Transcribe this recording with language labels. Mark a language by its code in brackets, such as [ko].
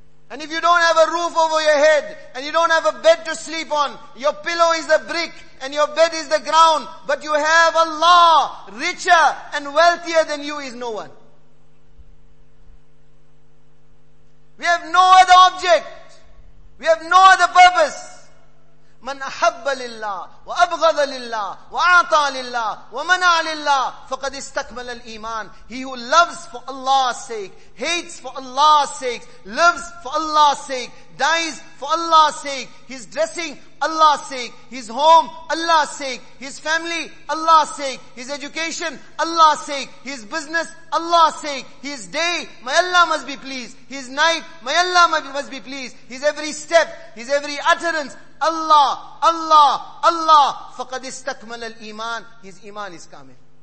[en] And if you don't have a roof over your head, and you don't have a bed to sleep on, your pillow is a brick, and your bed is the ground, but you have Allah, richer and wealthier than you is no one. We have no other object. We have no other purpose. [ar] من أحب لله وأبغض لله وأعطى لله ومنع لله فقد استكمل الإيمان. [en] He who loves for Allah's sake, hates for Allah's sake, lives for Allah's sake, dies for Allah's sake, his dressing Allah's sake, his home Allah's sake, his family Allah's sake, his education Allah's sake, his business Allah's sake, his day may Allah must be pleased, his night may Allah must be pleased, his every step, his every utterance Allah, Allah, Allah, [ar] فَقَدْ اسْتَكْمَلَ الْإِيمَانِ. [en] His iman is kamil.